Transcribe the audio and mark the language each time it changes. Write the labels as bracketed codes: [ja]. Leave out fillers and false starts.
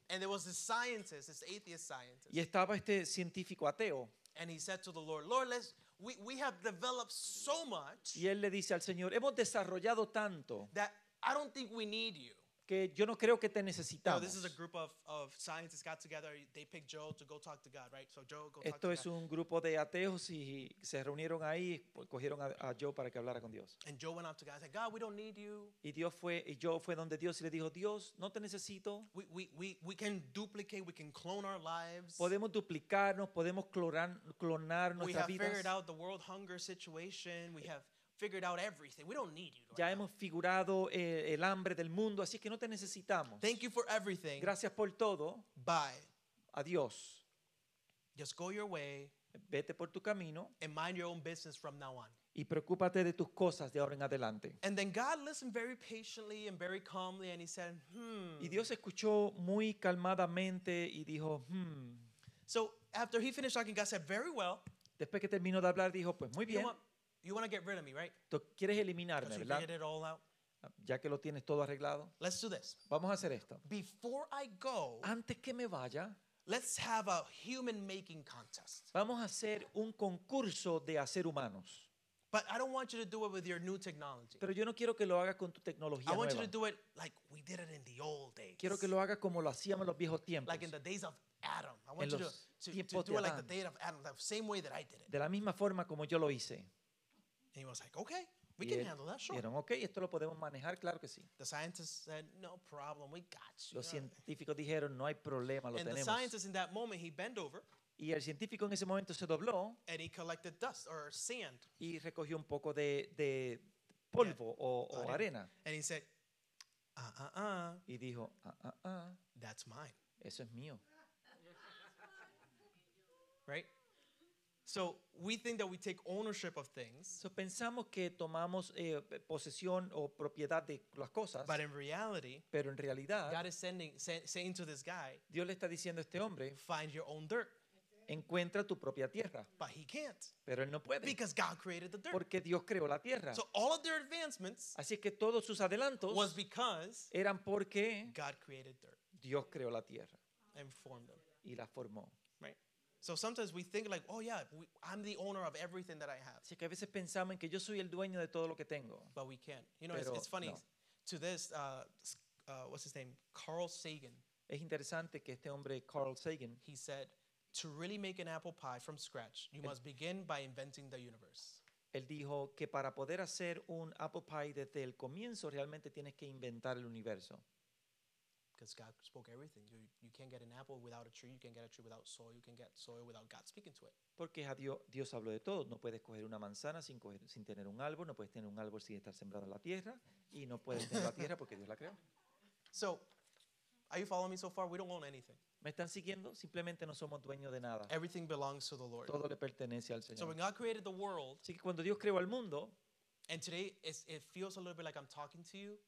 [en] And there was this scientist, this atheist scientist. [es] Y estaba este científico ateo. [en] And he said to the Lord, Lord, we have developed so much. [es] Y él le dice al Señor, hemos desarrollado tanto. [en] That I don't think we need you. [es] Que yo no creo que te necesitamos. [en] Now, this is a group of scientists got together. They picked Joe to go talk to God, right? So Joe, go talk to God. [es] Esto es un grupo de ateos y se reunieron ahí, cogieron a Joe para que hablara con Dios. [en] And Joe went up to God and said, God, we don't need you. [es] Y Joe fue donde Dios y le dijo, Dios, no te necesito. [en] We can duplicate, we can clone our lives. [es] Podemos duplicarnos, podemos clonar nuestras vidas. [en] We have figured out the world hunger situation. We have figured out everything. We don't need you. [es] Ya hemos figurado el hambre del mundo, así que no te necesitamos. [en] Thank you for everything. [es] Gracias por todo. [en] Bye. [es] Adiós. [en] Just go your way. [es] Vete por tu camino. [en] And mind your own business from now on. [es] Y preocúpate de tus cosas de ahora en adelante. [en] And then God listened very patiently and very calmly, and he said, [es] Y Dios escuchó muy calmadamente y dijo, [en] So after he finished talking, God said, very well. [es] Después que terminó de hablar, dijo, pues muy bien. [en] You want to get rid of me, right? [es] Tú quieres eliminarme, ¿verdad? [en] Because you figured it all out. [es] Ya que lo tienes todo arreglado. [en] Let's do this. [es] Vamos a hacer esto. [en] Before I go, [es] antes que me vaya, [en] let's have a human making contest. [es] Vamos a hacer un concurso de hacer humanos. [en] But I don't want you to do it with your new technology. [es] Pero yo no quiero que lo hagas con tu tecnología nueva. [en] I want you to do it like we did it in the old days. [es] Quiero que lo hagas como lo hacíamos en los viejos tiempos. [en] Like in the days of Adam. I want you to do it like the day of Adam, the same way that I did it. [es] De la misma forma como yo lo hice. [en] And he was like, okay, we can handle that, sure. [es] Dijeron, okay, esto lo podemos manejar, claro que sí. [en] The scientists said, no problem, we got you. [es] Los científicos dijeron, no hay problema, lo tenemos. [en] And the scientist in that moment, he bent over. [es] Y el científico en ese momento se dobló. [en] And he collected dust or sand. [es] Y recogió un poco de polvo o arena. [en] And he said, [es] Y dijo, [en] That's mine. [es] Eso es mío. [en] Right? So we think that we take ownership of things. [es] So pensamos que tomamos posesión o propiedad de las cosas. [en] But in reality, [es] pero en realidad, [en] God is saying to this guy, [es] Dios le está diciendo a este hombre, [en] find your own dirt. [es] Encuentra tu propia tierra. [en] But he can't. [es] Pero él no puede. [en] Because God created the dirt. [es] Porque Dios creó la tierra. [en] So all of their advancements, [es] así que todos sus adelantos, [en] was because [es] eran porque [en] God created dirt. [es] Dios creó la tierra. [en] And formed them. [es] Y la formó. [en] So sometimes we think like, oh yeah, I'm the owner of everything that I have. [es] Así que a veces pensamos en que yo soy el dueño de todo lo que tengo. [en] But we can't. You know, it's funny. No. To this, what's his name? Carl Sagan. [es] Es interesante que este hombre, Carl Sagan, [en] he said, to really make an apple pie from scratch, you must begin by inventing the universe. [es] Él dijo que para poder hacer un apple pie desde el comienzo, realmente tienes que inventar el universo. [en] Because God spoke everything. You can't get an apple without a tree. You can't get a tree without soil. You can get soil without God speaking to it. [es] Porque Dios habló de todo. No puedes coger una manzana sin tener un árbol. No puedes tener un árbol sin estar sembrado en la tierra. Y no puedes tener la tierra porque Dios la creó. [en] So, are you following me so far? We don't own anything. [es] ¿Me están siguiendo? Simplemente no somos dueños de nada. [en] Everything belongs to the Lord. [es] Todo le pertenece al Señor. [en] So when God created the world, [es] así que cuando Dios creó el mundo, [en] and today it feels a little bit like I'm talking to you,